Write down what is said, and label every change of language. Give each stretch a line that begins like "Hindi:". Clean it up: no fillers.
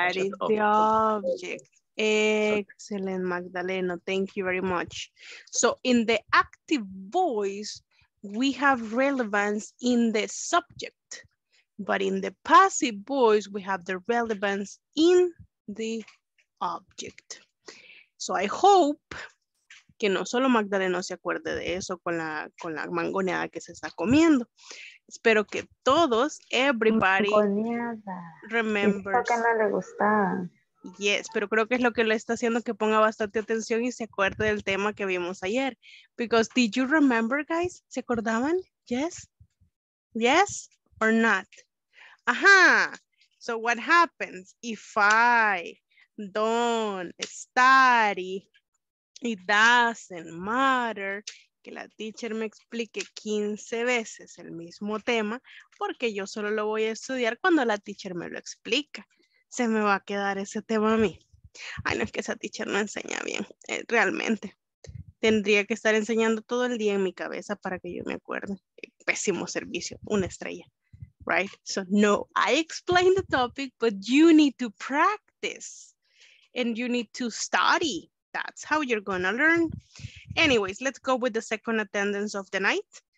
English: That is the object. Excellent, Magdaleno. Thank you very much. So in the active voice, we have relevance in the subject, but in the passive voice, we have the relevance in the object. So I hope
Spanish: que no solo Magdaleno se acuerde de eso con la mangoneada que se está comiendo. Espero que todos,
English: everybody, remembers.
Spanish: Que no le gustaba.
English: Yes,
Spanish: pero creo que es lo que le está haciendo que ponga bastante atención y se acuerde del tema que vimos ayer.
English: Because did you remember, guys?
Spanish: ¿Se acordaban?
English: Yes? Yes or not? Ajá. So what happens if I don't study? It doesn't matter
Spanish: que la teacher me explique 15 veces el mismo tema, porque yo solo lo voy a estudiar cuando la teacher me lo explica. Se me va a quedar ese tema a mí. Ay, no, es que esa teacher no enseña bien, realmente. Tendría que estar enseñando todo el día en mi cabeza para que yo me acuerde. Pésimo servicio, una estrella.
English: Right? So, no, I explained the topic, but you need to practice. And you need to study. That's how you're gonna learn. Anyways, let's go with the second attendance of the night.